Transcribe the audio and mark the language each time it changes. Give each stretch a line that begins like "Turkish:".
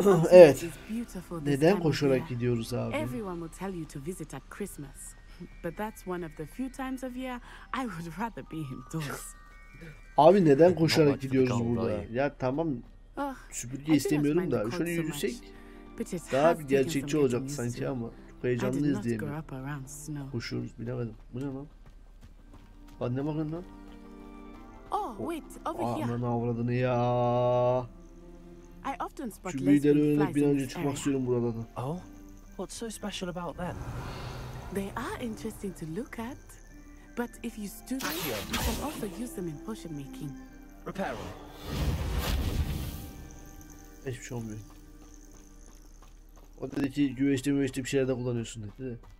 Turkish: Evet. Neden koşarak gidiyoruz abi?
English: Everyone will tell you to visit at Christmas, but that's one of the few times of year I would rather be indoors.
Turkish: Abi neden koşarak gidiyoruz burada? Ya tamam. Süpürge istemiyorum da şöyle yürüsek daha bir gerçekçi olacak sanki ama çok heyecanlıyız diye mi? Koşuyoruz bilemedim. Bu ne lan? Anne bakın lan. Ananın avradını ya. Şu lideri öğrenip bir an önce çıkmak istiyorum burada da.
English: They are interesting to look at. But if you stood them, you can also use them in potion making. Repair one.
Turkish: Hiçbir şey olmuyor. O dedi ki güveçli müveçli bir şeyler de kullanıyorsun dedi.